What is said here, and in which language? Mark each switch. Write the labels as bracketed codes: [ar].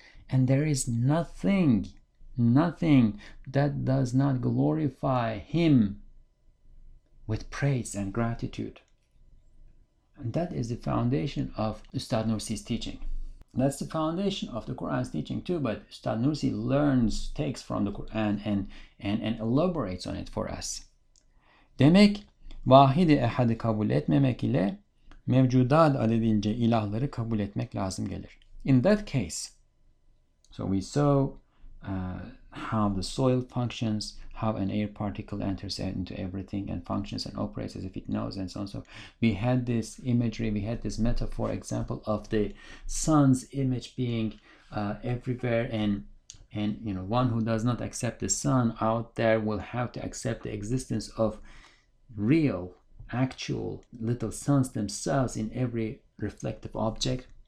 [en] And there is nothing that does not glorify him with praise and gratitude. And that is the foundation of Ustad Nursi's teaching. That's the foundation of the Quran's teaching too, but Ustad Nursi learns, takes from the Quran and elaborates on it for us. [tr] Demek, vahidi ehadi kabul etmemek ile mevcudat adedince ilahları kabul etmek lazım gelir. [en] In that case, so we saw how the soil functions, how an air particle enters into everything and functions and operates as if it knows, and so on. So we had this imagery, we had this metaphor example of the sun's image being everywhere, and you know, one who does not accept the sun out there will have to accept the existence of real, actual little suns themselves in every reflective object.